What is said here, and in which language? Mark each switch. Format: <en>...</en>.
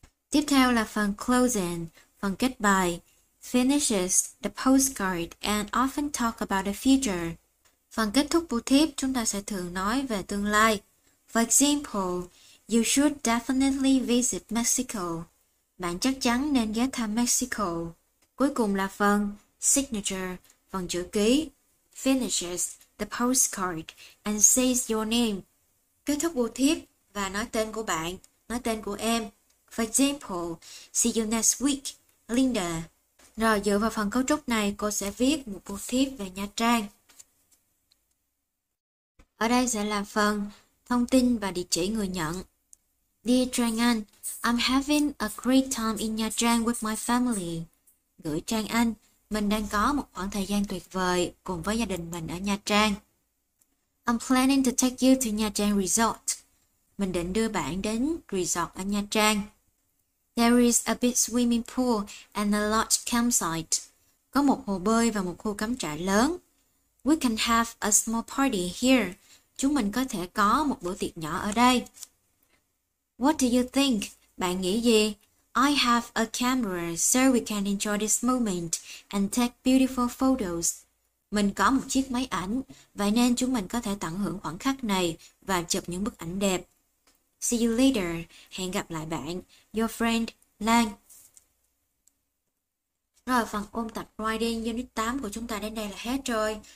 <vi>Tiếp theo là phần closing, phần kết bài.</vi> <en>Finishes the postcard and often talk about the future.</en> <vi>Phần kết thúc bưu thiếp, chúng ta sẽ thường nói về tương lai.</vi> <en>For example, you should definitely visit Mexico.</en> <vi>Bạn chắc chắn nên ghé thăm Mexico. Cuối cùng là phần signature, phần chữ ký.</vi> <en>Finishes the postcard and says your name.</en> <vi>Kết thúc bưu thiếp và nói tên của bạn, nói tên của em.</vi> <en>For example, see you next week, Linda.</en> <vi>Rồi dựa vào phần cấu trúc này, cô sẽ viết một bưu thiếp về Nha Trang. Ở đây sẽ là phần thông tin và địa chỉ người nhận.</vi> <en>Dear Trang Anh, I'm having a great time in Nha Trang with my family.</en> <vi>Gửi Trang Anh, mình đang có một khoảng thời gian tuyệt vời cùng với gia đình mình ở Nha Trang.</vi> <en>I'm planning to take you to Nha Trang Resort.</en> <vi>Mình định đưa bạn đến resort ở Nha Trang.</vi> <en>There is a big swimming pool and a large campsite.</en> <vi>Có một hồ bơi và một khu cắm trại lớn.</vi> <en>We can have a small party here.</en> <vi>Chúng mình có thể có một bữa tiệc nhỏ ở đây.</vi> <en>What do you think?</en> <vi>Bạn nghĩ gì?</vi> <en>I have a camera so we can enjoy this moment and take beautiful photos.</en> <vi>Mình có một chiếc máy ảnh, vậy nên chúng mình có thể tận hưởng khoảnh khắc này và chụp những bức ảnh đẹp.</vi> <en>See you later.</en> <vi>Hẹn gặp lại bạn.</vi> <en>Your friend, Lan.</en> <vi>Rồi, phần ôn tập writing Unit 8 của chúng ta đến đây là hết rồi.</vi>